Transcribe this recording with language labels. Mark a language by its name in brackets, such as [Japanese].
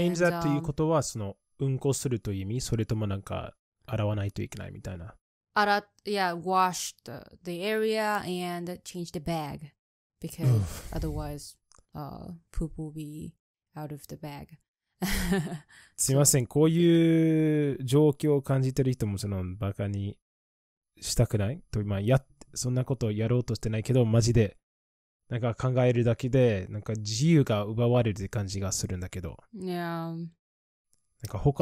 [English] that [Japanese] っていうことはそのうんこするという意味それともなんか洗わないといけないみたいな洗っ [English] yeah wash the area and change the bag because otherwise poop will be out of the bag [Japanese] すいませんこういう状況を感じてる人もそのバカにしたくないと、まあ、やそんなことをやろうとしてないけどマジでなんか考えるだけでなんか自由が奪われる感じがするんだけど。 [English] Yeah. [Japanese] なんか他